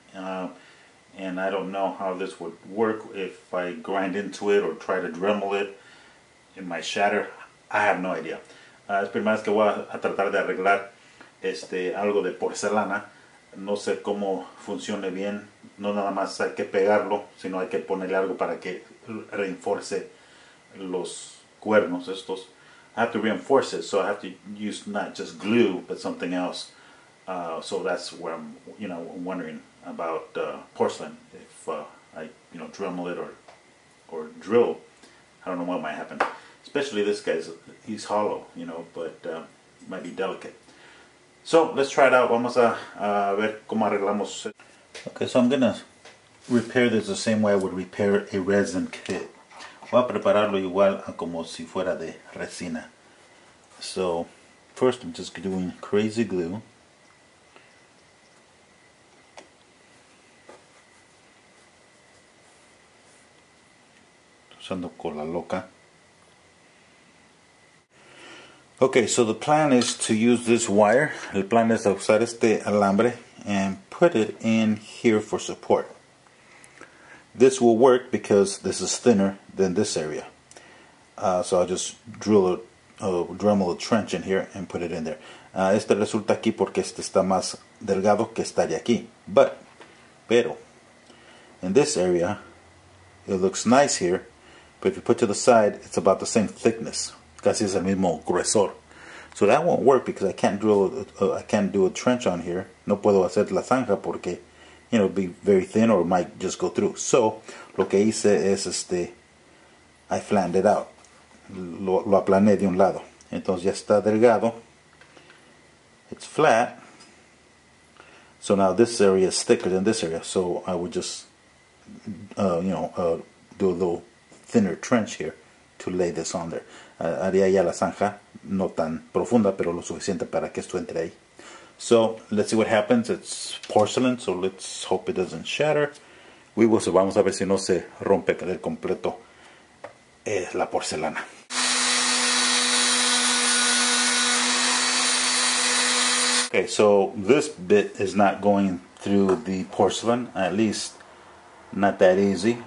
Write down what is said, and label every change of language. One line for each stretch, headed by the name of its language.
English: And I don't know how this would work if I grind into it or try to dremel it. It might shatter. I have no idea.
Spanish: Es primera vez que voy a tratar de arreglar algo de porcelana. No sé cómo funcione bien. No nada más hay que pegarlo, sino hay que ponerle algo para que reinforce los cuernos estos.
English: I have to reinforce it, so I have to use not just glue, but something else. So that's where I'm, you know, wondering about porcelain. If I, you know, dremel it or drill, I don't know what might happen. Especially this guy's, he's hollow, you know, but might be delicate. So let's try it out.
Spanish: Vamos a ver cómo arreglamos.
English: Okay, so I'm gonna repair this the same way I would repair a resin kit.
Spanish: Voy a prepararlo igual a como si fuera de resina.
English: So first, I'm just doing crazy glue.
Spanish: Usando cola loca.
English: Okay, so the plan is to use this wire.
Spanish: El plan es usar este alambre
English: and put it in here for support. This will work because this is thinner than this area. So I'll just dremel a trench in here and put it in there.
Spanish: Este resulta aquí porque este está más delgado que está de aquí.
English: Pero, in this area, it looks nice here, but if you put to the side, it's about the same thickness.
Spanish: Casi es el mismo grosor.
English: So that won't work because I can't drill, I can't do a trench on here.
Spanish: No puedo hacer la zanja porque,
English: you know, it'd be very thin or it might just go through. So,
Spanish: lo que hice es
English: I flattened it out.
Spanish: Lo aplané de un lado. Entonces ya está delgado.
English: It's flat. So now this area is thicker than this area. So I would just, do a little thinner trench here to lay this on there.
Spanish: Haría ya la zanja, no tan profunda, pero lo suficiente para que esto entre ahí.
English: So, let's see what happens. It's porcelain, so let's hope it doesn't shatter.
Spanish: Vamos a ver si no se rompe del completo la porcelana.
English: Okay, so this bit is not going through the porcelain, at least not that easy.